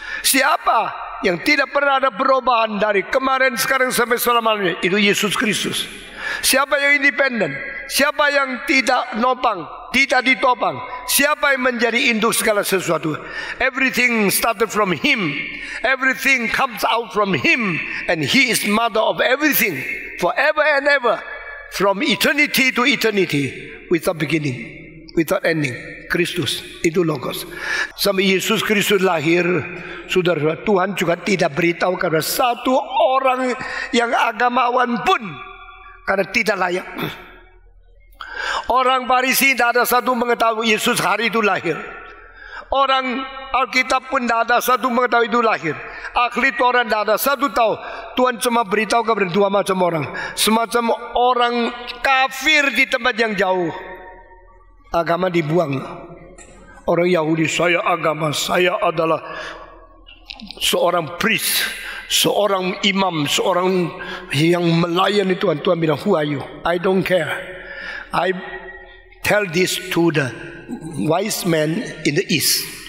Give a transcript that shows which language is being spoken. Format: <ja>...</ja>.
<id>Siapa yang tidak pernah ada perubahan dari kemarin, sekarang sampai selamanya? Itu Yesus Kristus. Siapa yang independen? Siapa yang tidak nopang, tidak ditopang? Siapa yang menjadi induk segala sesuatu?</id> <en>Everything started from him. Everything comes out from him. And he is mother of everything, forever and ever, from eternity to eternity, without beginning, without ending.</en> <id>Kristus, itu logos. Sampai Yesus Kristus lahir, saudara, Tuhan juga tidak beritahu kepada satu orang yang agamawan pun, karena tidak layak. Orang Farisi tidak ada satu mengetahui Yesus hari itu lahir. Orang Alkitab pun tidak ada satu mengetahui itu lahir. Ahli Taurat tidak ada satu tahu. Tuhan cuma beritahu kepada dua macam orang. Semacam orang kafir di tempat yang jauh, agama dibuang. Orang Yahudi, saya agama, saya adalah seorang priest, seorang imam, seorang yang melayani Tuhan. Tuhan bilang,</id> <en>who are you? I don't care. I tell this to the wise man in the east.</en>